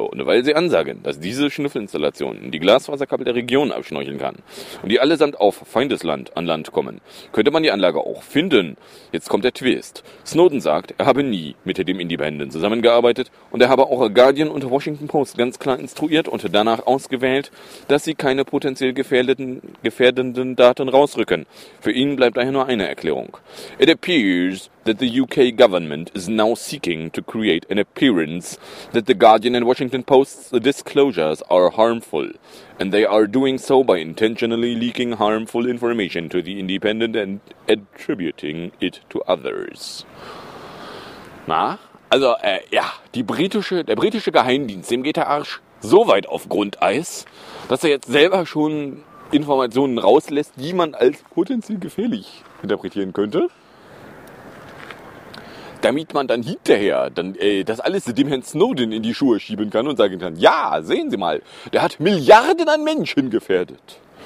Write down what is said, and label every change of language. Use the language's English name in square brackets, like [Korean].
[German] Und weil sie ansagen, dass diese Schnüffelinstallation die Glasfaserkabel der Region abschnorcheln kann und die allesamt auf Feindesland an Land kommen, könnte man die Anlage auch finden. Jetzt kommt der Twist. Snowden sagt, er habe nie mit dem Independent zusammengearbeitet und er habe auch Guardian und Washington Post ganz klar instruiert und danach ausgewählt, dass sie keine potenziell gefährdenden Daten rausrücken. Für ihn bleibt daher nur eine Erklärung. [English] It appears that the UK government is now seeking to create an appearance that the Guardian and Washington Post's disclosures are harmful. And they are doing so by intentionally leaking harmful information to the Independent and attributing it to others. [German] Na, also, ja, der britische Geheimdienst, dem geht der Arsch so weit auf Grundeis, dass er jetzt selber schon Informationen rauslässt, die man als potenziell gefährlich interpretieren könnte. Damit man dann hinterher das alles dem Herrn Snowden in die Schuhe schieben kann und sagen kann, ja, sehen Sie mal, der hat Milliarden an Menschen gefährdet.